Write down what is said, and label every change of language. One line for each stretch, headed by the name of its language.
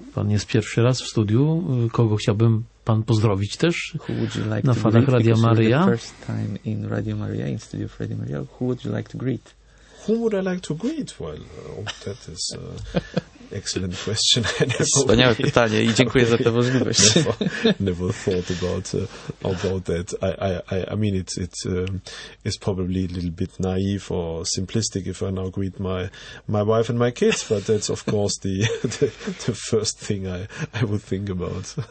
Polish: Pan jest pierwszy raz w studiu. Kogo chciałbym Pan pozdrowić też na falach Radia Maria.
English: First time in Radio Maria, in studio of Radio Maria. Who would you like to greet? Who would I like to greet? Well, that is an excellent question.
Polish: Wspaniałe pytanie i dziękuję za tę możliwość.
English: Never thought about that. I mean, it's probably a little bit naive or simplistic if I now greet my wife and my kids, but that's of course the first thing I would think about.